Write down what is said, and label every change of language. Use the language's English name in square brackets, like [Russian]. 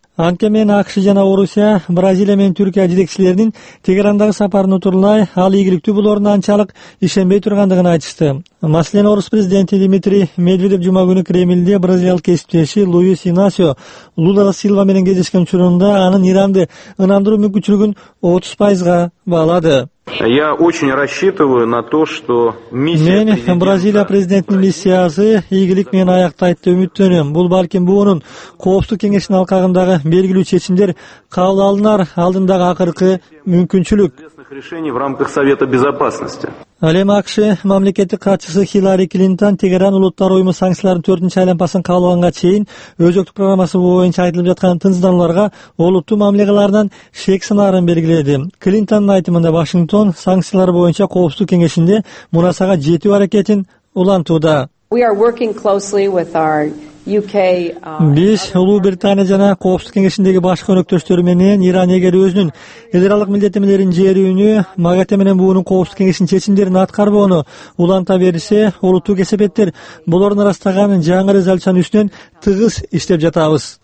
[Kyrgyz] Анткени менен АКШ жана Орусия, Бразилия менен Түркия жетекчилеринин Тегерандагы сапарын утурулай ал ийгиликтүү болоруна анчалык ишенбей тургандыгын айтышты. Маселен, орус президенти Дмитрий Медведев жума күнү Кремлде бразилиялык кесиптеши Луис Инасио Лула да Силва менен кездешкен учурунда анын Иранды ынандыруу мүмкүнчүлүгүн 30% баалады. [Russian] Я очень рассчитываю на то, что миссия [Kyrgyz] мен Бразилия президентинин миссиясы ийгилик менен аяктайт деп үмүттөнөм. Бул балким буунун коопсуздук кеңешинин алкагындагы белгилүү чечимдер кабыл алынар алдындагы акыркы мүмкүнчүлүк. [Russian] Решений в рамках Совета Безопасности. [Kyrgyz] Ал эми АКШ мамлекеттик катчысы Хиллари Клинтон Тегеран Улуттар Уюму санкцияларынын 4-нчү айлампасын кабыл алганга чейин өзөктүк программасы боюнча айтылып жаткан тынчсызданууларга олуттуу мамлекеттеринен шек санаарын белгиледи. Клинтондун айтымында Вашингтон санкциялар боюнча коопсуздук кеңешинде мурасага жетүү аракетин улантууда. [English] We are working closely with our [Kyrgyz] Биз Улуу Британия жана Коопсуздук кеңешиндеги башкы өнөктөштөрү менен Иран эгер өзүнүн эл аралык милдеттенмелерин жерүүнү, МАГАТЭ менен БУУ'нун Коопсуздук кеңешинин чечимдерин аткарбоону уланта берсе, улуттук эсепеттер болордун арасындагы жаңы резолюциянын үстүнөн тыгыз иштеп жатабыз.